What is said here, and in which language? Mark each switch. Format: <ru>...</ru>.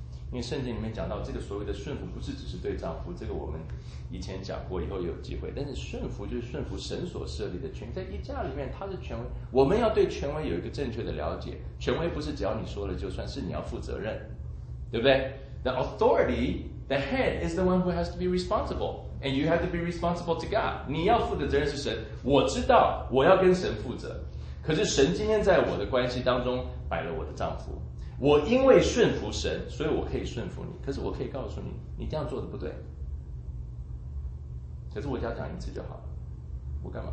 <zh>因为圣经里面讲到这个所谓的顺服不是只是对丈夫，这个我们以前讲过，以后有机会，但是顺服就是顺服神所设立的权威，在一家里面他是权威，我们要对权威有一个正确的了解，权威不是只要你说了就算，是你要负责任，对不对？</zh> <en>The authorityThe head is the one who has to be responsible, and you have to be responsible to God.</en> <zh>你要负的责任是神。我知道我要跟神负责，可是神今天在我的关系当中摆了我的丈夫。我因为顺服神，所以我可以顺服你。可是我可以告诉你，你这样做的不对。可是我只要讲一次就好了。我干嘛？</zh>